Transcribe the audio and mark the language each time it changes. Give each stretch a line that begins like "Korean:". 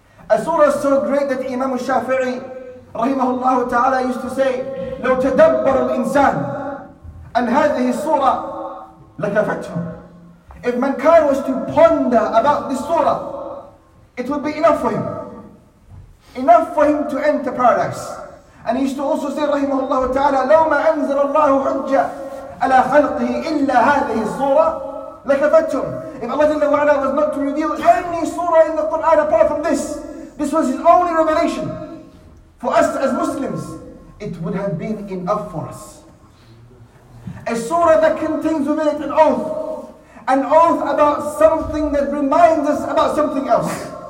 English: A surah so great that Imam Shafi'i, rahimahullah ta'ala, used to say,
Arabic: لو تدبر الإنسان أن هذه السورة لكفته.
English: If mankind was to ponder about this surah, it would be enough for him. Enough for him to enter paradise. And he used to also say, rahimahullah ta'ala,
Arabic: لو ما أنزل الله حجة على خلقه إلا هذه الصورة لكفتهم.
English: If Allah Jalla wa'ala was not to reveal any surah in the Quran apart from this, this was his only revelation for us as Muslims, it would have been enough for us. A surah that contains within it an oath about something that reminds us about something else.